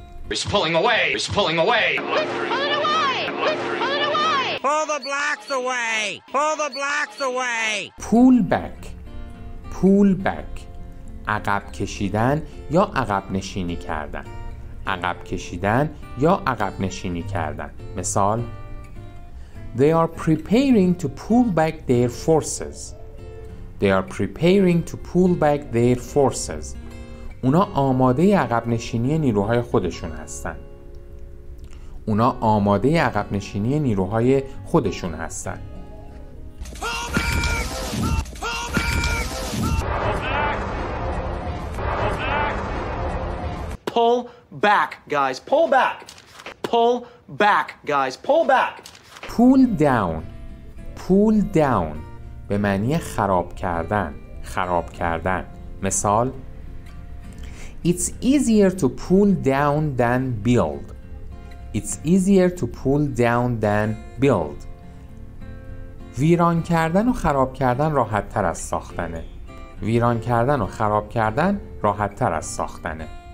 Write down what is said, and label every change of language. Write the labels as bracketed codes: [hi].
[en] He's pulling away. He's pulling away. Pull it away. Pull it away. Pull the blacks away. Pull the blacks away. Pull back. Pull back. [fa] عقب کشیدن یا عقب نشینی کردن. عقب کشیدن یا عقب نشینی کردن. [en] مثال: They are preparing to pull back their forces. They are preparing to pull back their forces. [fa] اونا آماده عقب نشینی نیروهای خودشون هستن. اونا آماده عقب نشینی نیروهای خودشون هستن. [en] Pull back, guys. Pull back. Pull back, guys. Pull back. Pull down. Pull down. [fa] به معنی خراب کردن. خراب کردن. [en] مثال: It's easier to pull down than build. It's easier to pull down than build. [fa] ویران کردن و خراب کردن راحت تر از ساختنه. ویران کردن و خراب کردن راحت تر از ساختنه.